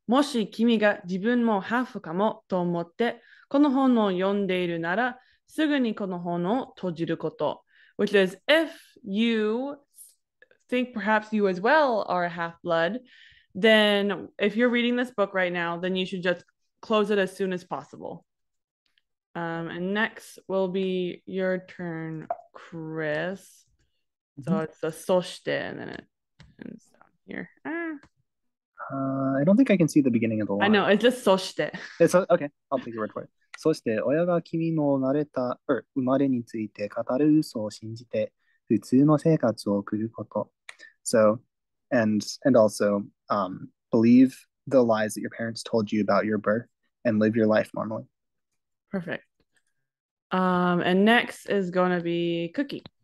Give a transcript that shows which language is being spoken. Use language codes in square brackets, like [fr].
[ja] もし君が自分もハーフかもと思ってこの本を読んでいるなら、すぐにこの本を閉じること。 [en] Which is, if you think perhaps you as well are a half-blood, then if you're reading this book right now, then you should just close it as soon as possible. And next will be your turn, Chris. So it's a そして, and then it ends down here. I don't think I can see the beginning of the line. I know, it's just そして. Okay, I'll take your word for it. [ja] そして親が君の生まれについて語る嘘を信じて普通の生活を送ること。 [en] So, and also, believe the lies that your parents told you about your birth and live your life normally. Perfect. And next is going to be Cookie.